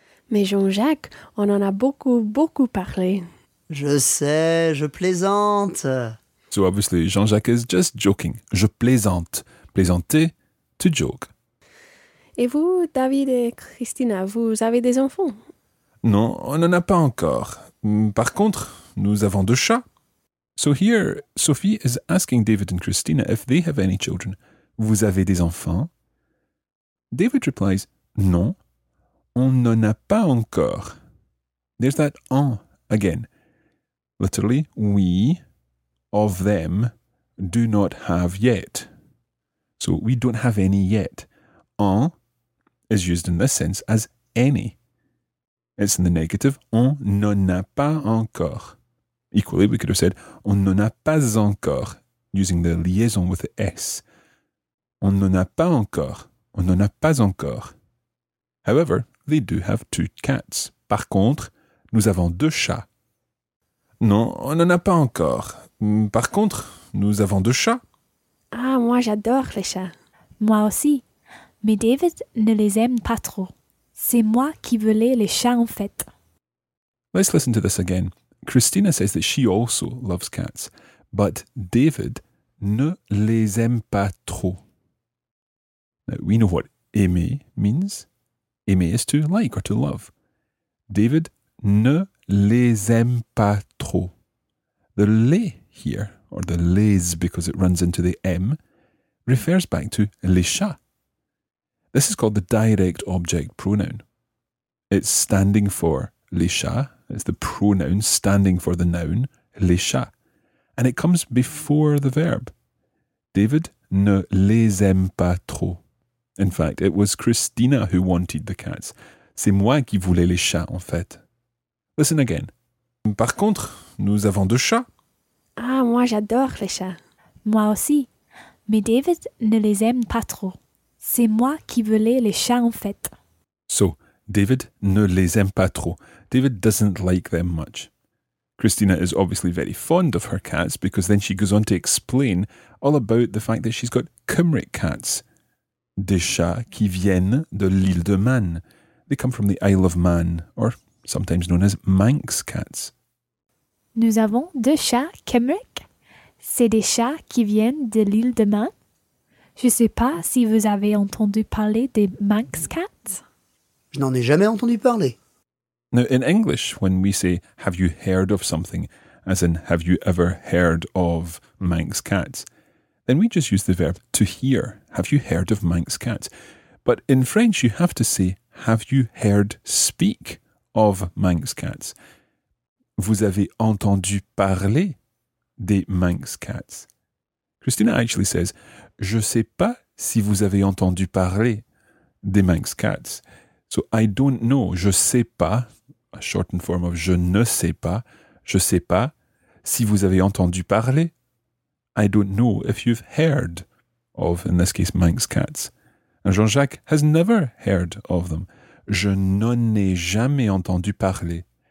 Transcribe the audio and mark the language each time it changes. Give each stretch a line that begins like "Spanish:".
French: Mais Jean-Jacques, on en a beaucoup, beaucoup parlé. Je sais, je plaisante.
English: So obviously Jean-Jacques is just joking.
French: Je plaisante. Plaisanter,
English: to joke.
French: Et vous, David et Christina, vous avez des enfants? Non, on n'en a pas encore. Par contre, nous avons deux chats.
English: So here, Sophie is asking David and Christina if they have any children.
French: Vous avez des enfants?
English: David replies,
French: non, on n'en a pas encore.
English: There's that en again. Literally, oui. Of them, do not have yet. So we don't have any yet. En is used in this sense as any. It's in the negative.
French: On n'en a pas encore.
English: Equally, we could have said
French: on n'en a pas encore,
English: using the liaison with the S.
French: On n'en a pas encore. On n'en a pas encore.
English: However, they do have two cats.
French: Par contre, nous avons deux chats. Non, on n'en a pas encore. Par contre, nous avons deux chats. Ah, moi j'adore les chats. Moi aussi. Mais David ne les aime pas trop. C'est moi qui voulais les chats en fait.
English: Let's listen to this again. Christina says that she also loves cats, but David
French: ne les aime pas trop.
English: Now, we know what aimer means. Aimer is to like or to love.
French: David ne les aime pas trop.
English: The les here, or the les because it runs into the M, refers back to les chats. This is called the direct object pronoun. It's standing for les chats. It's the pronoun standing for the noun, les chats. And it comes before the verb.
French: David ne les aime pas trop.
English: In fact, it was Christina who wanted the cats.
French: C'est moi qui voulais les chats, en fait.
English: Listen again.
French: Par contre, nous avons deux chats. Ah, moi j'adore les chats. Moi aussi. Mais David ne les aime pas trop. C'est moi qui voulais les chats en fait.
English: So,
French: David ne les aime pas trop.
English: David doesn't like them much. Christina is obviously very fond of her cats because then she goes on to explain all about the fact that she's got Cymric cats.
French: Des chats qui viennent de l'île de Man.
English: They come from the Isle of Man, or sometimes known as Manx cats.
French: Nous avons deux chats Cymric. C'est des chats qui viennent de l'île de Man. Je ne sais pas si vous avez entendu parler des Manx cats. Je n'en ai jamais entendu parler.
English: Now, in English, when we say, have you heard of something, as in, have you ever heard of Manx cats, then we just use the verb to hear. Have you heard of Manx cats? But in French, you have to say, have you heard speak of Manx cats?
French: Vous avez entendu parler des Manx cats?
English: Christina actually says,
French: je sais pas si vous avez entendu parler des Manx cats.
English: So, I don't know,
French: je sais pas,
English: a shortened form of
French: je sais pas si vous avez entendu parler.
English: I don't know if you've heard of, in this case, Manx cats. And Jean-Jacques has never heard of them.
French: Je n'en ai jamais entendu parler.